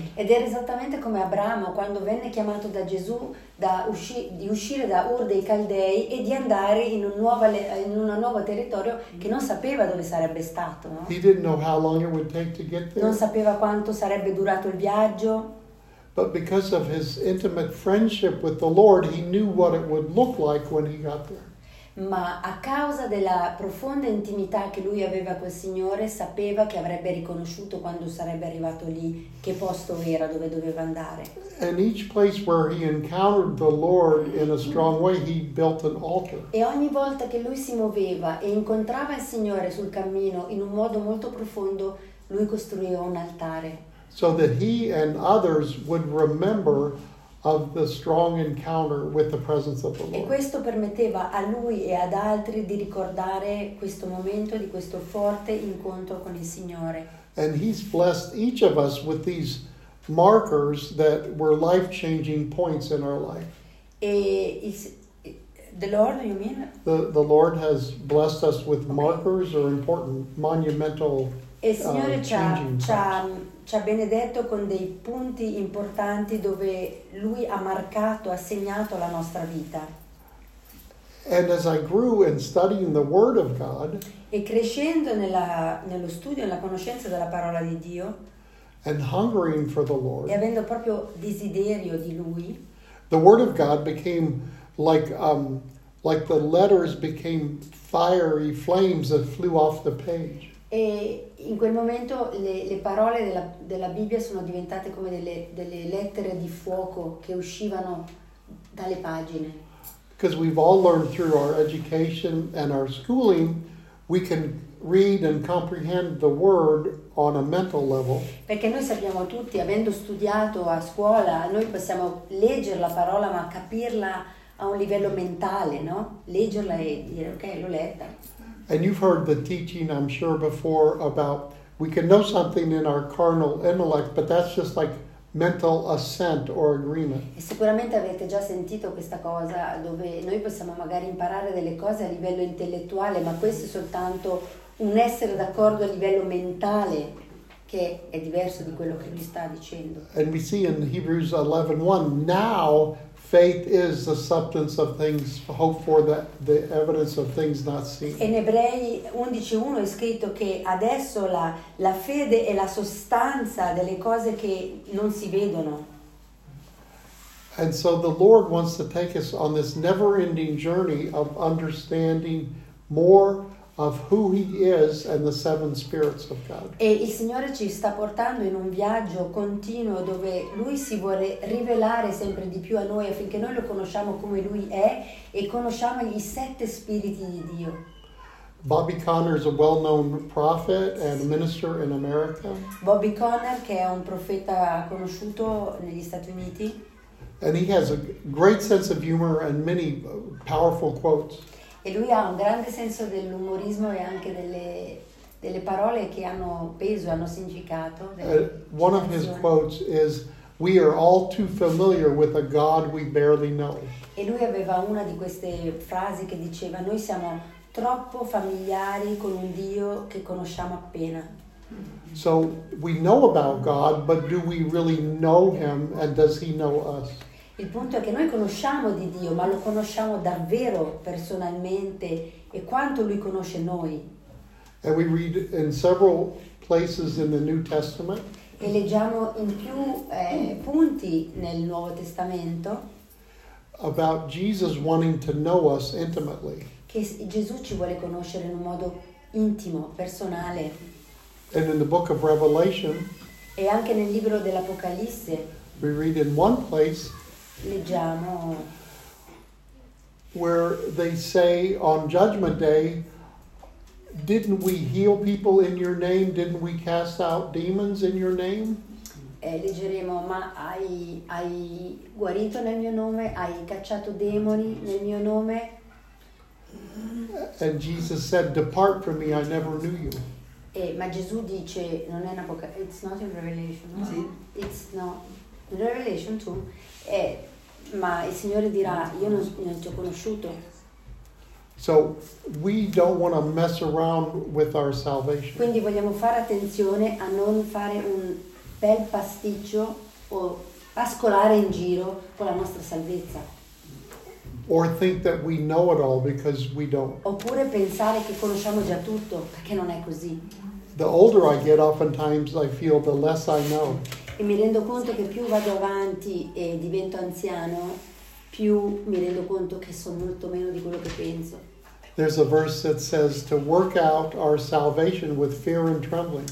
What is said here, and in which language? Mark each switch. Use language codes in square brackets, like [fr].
[it] Ed era esattamente come Abramo quando venne chiamato da Gesù da uscire da Ur dei Caldei e di andare in un nuovo territorio che non sapeva dove sarebbe stato, no? [en] He didn't know how long it would take to get there. [it] Non sapeva quanto sarebbe durato il viaggio. [en] But because of his intimate friendship with the Lord, he knew what it would look like when he got there. [it] Ma a causa della profonda intimità che lui aveva col Signore, sapeva che avrebbe riconosciuto quando sarebbe arrivato lì che posto era, dove doveva andare. [en] And each place where he encountered the Lord in a strong way, he built an altar. [it] E ogni volta che lui si muoveva e incontrava il Signore sul cammino in un modo molto profondo, lui costruiva un altare. [en] So that he and others would remember of the strong encounter with the presence of the Lord. [it] E questo permetteva a lui e ad altri di ricordare questo momento di questo forte incontro con il Signore. [en] And he's blessed each of us with these markers that were life-changing points in our life. E the Lord, you mean? The Lord has blessed us with markers or important monumental changing points. [it] Ci ha benedetto con dei punti importanti dove lui ha marcato, ha segnato la nostra vita. [en] And as I grew in studying the Word of God, [it] e crescendo nello studio, nella conoscenza della parola di Dio, [en] and hungering for the Lord, [it] e avendo proprio desiderio di lui, [en] the Word of God became like the letters became fiery flames that flew off the page. [it] E in quel momento le parole della Bibbia sono diventate come delle lettere di fuoco che uscivano dalle pagine. [en] Because we've all learned through our education and our schooling, we can read and comprehend the word on a mental level. [it] Perché noi sappiamo tutti, avendo studiato a scuola, noi possiamo leggere la parola ma capirla a un livello mentale, no? Leggerla e dire ok, l'ho letta. [en] And you've heard the teaching, I'm sure, before about we can know something in our carnal intellect, but that's just like mental assent or agreement. [it] E sicuramente avete già sentito questa cosa dove noi possiamo magari imparare delle cose a livello intellettuale, ma questo è soltanto un essere d'accordo a livello mentale che è diverso di quello che lui sta dicendo. [en] And we see in Hebrews 11:1 now. Faith is the substance of things hoped for, the evidence of things not seen. [it] In Ebrei 11:1 è scritto che adesso la fede è la sostanza delle cose che non si vedono. [en] And so the Lord wants to take us on this never-ending journey of understanding more of who he is and the seven spirits of God. [it] E il Signore ci sta portando in un viaggio continuo dove lui si vuole rivelare sempre di più a noi affinché noi lo conosciamo come lui è e conosciamo gli sette spiriti di Dio. [en] Bobby Connor is a well-known prophet and minister in America. [it] Bobby Connor, che è un profeta conosciuto negli Stati Uniti. [en] And he has a great sense of humor and many powerful quotes. [it] E lui ha un grande senso dell'umorismo e anche delle parole che hanno peso, hanno significato. [en] One of his quotes is, "We are all too familiar with a God we barely know." [it] E lui aveva una di queste frasi che diceva, "Noi siamo troppo familiari con un Dio che conosciamo appena." [en] So we know about God, but do we really know him and does he know us? [it] Il punto è che noi conosciamo di Dio, ma lo conosciamo davvero personalmente e quanto lui conosce noi. [en] And we read in several places in the New Testament. [it] E leggiamo in più punti nel Nuovo Testamento. [en] About Jesus wanting to know us intimately. [it] Che Gesù ci vuole conoscere in un modo intimo, personale. [en] And in the book of Revelation. [it] E anche nel libro dell'Apocalisse. [en] We read in one place. [it] Leggiamo. [en] Where they say on Judgment Day, didn't we heal people in your name? Didn't we cast out demons in your name? [it] Leggeremo, ma hai guarito nel mio nome? Hai cacciato demoni nel mio nome? [en] And Jesus said, depart from me, I never knew you. [it] Ma Gesù dice, non è in Apocalisse, [en] it's not in Revelation. [it] No? Sì. [en] It's not in Revelation too. [it] Ma il Signore dirà, io non ti ho conosciuto. [en] So we don't want to mess around with our salvation. [it] Quindi vogliamo fare attenzione a non fare un bel pasticcio o pascolare in giro con la nostra salvezza. [en] Or think that we know it all because we don't. [it] Oppure pensare che conosciamo già tutto, perché non è così. [en] The older I get, oftentimes I feel the less I know. [it] E mi rendo conto che più vado avanti e divento anziano, più mi rendo conto che so molto meno di quello che penso. [en] There's a verse that says to work out our salvation with fear and trembling.